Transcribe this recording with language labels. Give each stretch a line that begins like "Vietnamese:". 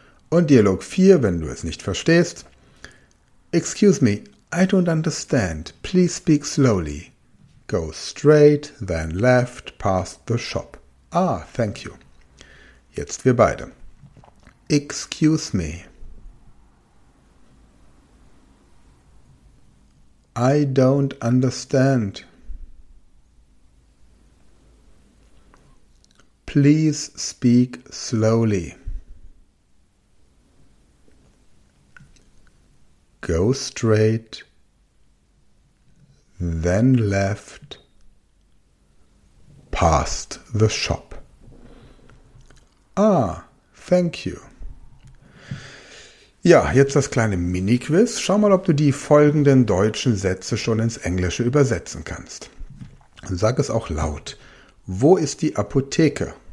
German: Und Dialog 4, wenn du es nicht verstehst.
English: Excuse me, I don't understand. Please speak slowly. Go straight, then left, past the shop. Ah, thank you.
German: Jetzt wir beide.
English: Excuse me. I don't understand. Please speak slowly. Go straight, then left, past the shop. Ah, thank you.
German: Ja, jetzt das kleine Mini-Quiz. Schau mal, ob du die folgenden deutschen Sätze schon ins Englische übersetzen kannst. Sag es auch laut. Wo ist die Apotheke?